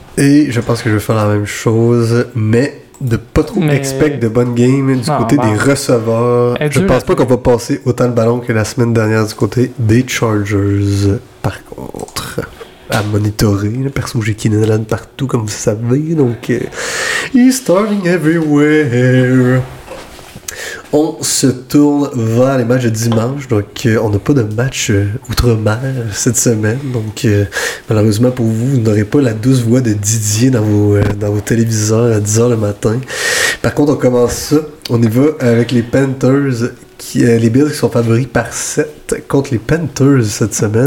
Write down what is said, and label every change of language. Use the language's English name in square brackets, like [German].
[French] Et je pense que je vais faire la même chose, mais. Pas trop expect de bonnes games du côté des receveurs. Je pense pas qu'on va passer autant de ballons que la semaine dernière du côté des Chargers. Par contre, à monitorer, là, perso, j'ai Keenan Allen partout, comme vous savez. [English] Donc, he's starting everywhere. [French] On se tourne vers les matchs de dimanche. Donc, on n'a pas de match outre-mer cette semaine. Donc, malheureusement pour vous, vous n'aurez pas la douce voix de Didier dans vos téléviseurs à 10h le matin. Par contre, on commence ça. On y va avec les Panthers, les Bills qui sont favoris par 7 contre les Panthers cette semaine.